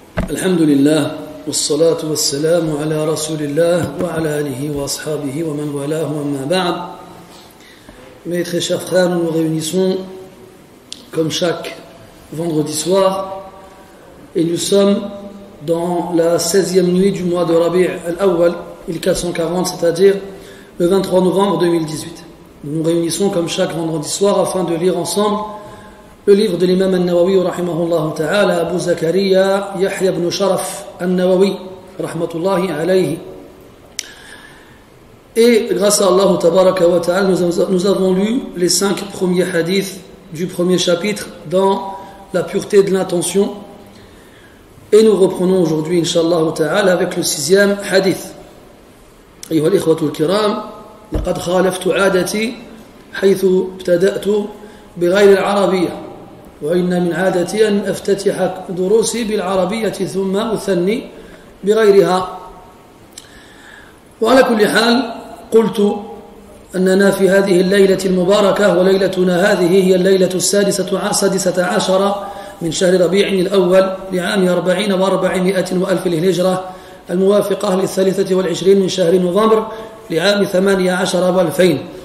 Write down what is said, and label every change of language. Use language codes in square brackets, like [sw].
[ar] الحمد لله والصلاة والسلام على رسول الله وعلى آله وأصحابه ومن والاه وما بعد. [fr] Mes très chers frères, nous nous réunissons comme chaque vendredi soir et nous sommes dans la 16e nuit du mois de Rabi' al-Awwal, 1440, c'est-à-dire le 23 novembre 2018. Nous nous réunissons comme chaque vendredi soir afin de lire ensemble le livre de l'imam al-Nawawi, rahimahullah ta'ala, Abu Zakariya Yahya ibn Sharaf al-Nawawi, rahmatullahi alayhi. Et grâce à Allah, tabaraka wa ta'ala, nous avons lu les 5 premiers hadiths du premier chapitre dans la pureté de l'intention. Et nous reprenons aujourd'hui, inshallah ta'ala, avec le 6e hadith. [ar] Ayyuha al-ikhwatu al-kiram, laqad khalaftu 'adati haythu ibtada'tu بغير العربية وإن من عادتي أن أفتتح دروسي بالعربية ثم أثني بغيرها. وعلى كل حال قلت أننا في هذه الليلة المباركة وليلتنا هذه هي الليلة السادسة عشرة من شهر ربيع الأول لعام 440,000 الهجرة الموافقة ل23 من شهر نوفمبر لعام 18,000.